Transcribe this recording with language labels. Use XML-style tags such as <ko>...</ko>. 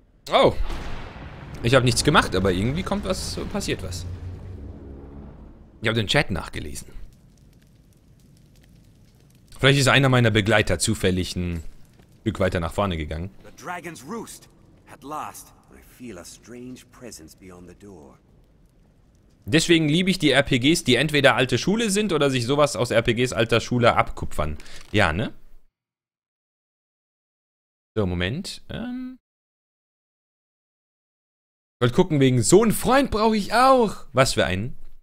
<de>Oh. Ich habe nichts gemacht, aber irgendwie kommt was, passiert was. Ich habe den Chat nachgelesen. Vielleicht ist einer meiner Begleiter zufällig ein Stück weiter nach vorne gegangen.</de> <en>The dragon's roost. At last, I feel a strange presence beyond the door.</en> <de>Deswegen liebe ich die RPGs, die entweder alte Schule sind oder sich sowas aus RPGs alter Schule abkupfern. Ja, ne? So, Moment. Ich wollte gucken, wegen so einen Freund brauche ich auch. Was für einen?</de>